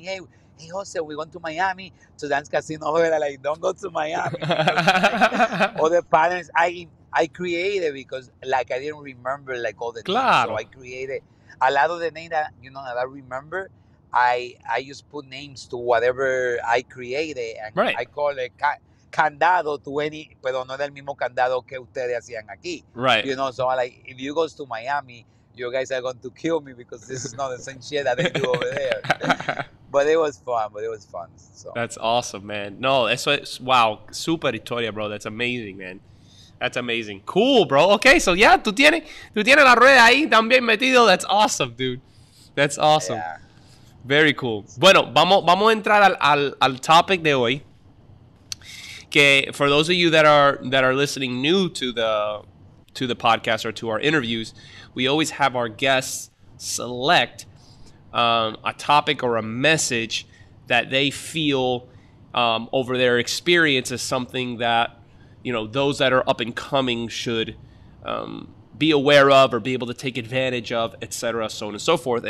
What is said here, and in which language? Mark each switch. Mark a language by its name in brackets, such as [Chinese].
[English] Hey, Jose, we went to Miami to dance casino. Like, don't go to Miami. Other patterns. I created because, like, I didn't remember, like, all the [Spanish] claro. [English] names. So I created a lot of the names that, you know, that I remember. I just put names to whatever I created. And right. I call it [Spanish] candado 20, pero no del mismo candado que ustedes hacían aquí. [English] Right. You know, so, like, if you go to Miami, you guys are going to kill me because this is not the same shit that they do over there. But it was fun. So. That's awesome, man. [Spanish] No, eso es, wow, super historia, [English] bro. That's amazing, man. That's amazing. Cool, bro. Okay, so yeah, [Spanish] tú tienes la rueda ahí también metido. [English] That's awesome, dude. That's awesome. Yeah. Very cool. [Spanish] Bueno, vamos a entrar al topic de hoy. [English] Que for those of you that are listening new to the podcast or to our interviews, we always have our guests select a topic or a message that they feel over their experience is something that, you know, those that are up and coming should be aware of or be able to take advantage of, et cetera, so on and so forth.